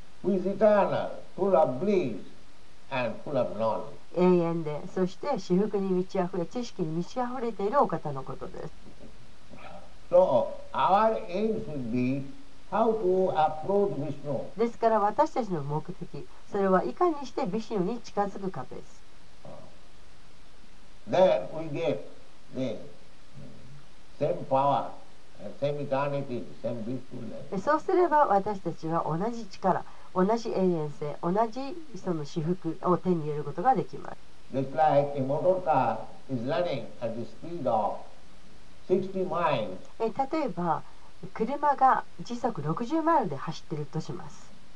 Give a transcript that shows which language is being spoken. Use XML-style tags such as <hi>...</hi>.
<en>Who is eternal, full of bliss and full of knowledge.</en> <ja>永遠で、そして至福に満ち溢れ、知識に満ち溢れているお方のことです。</ja> <en>So our aim should be how to approach Vishnu.</en> <ja>ですから私たちの目的、それはいかにして Vishnu に近づくかです。</ja> <en>Then we get the same power, same eternity, same blissfulness.</en> <ja>そうすれば私たちは同じ力、同じ永遠性、同じその至福を手に入れることができます。</ja> <en>Just like a motor car is running at the speed of 60 miles.</en> <ja>例えば車が時速60マイルで走っているとします。</ja>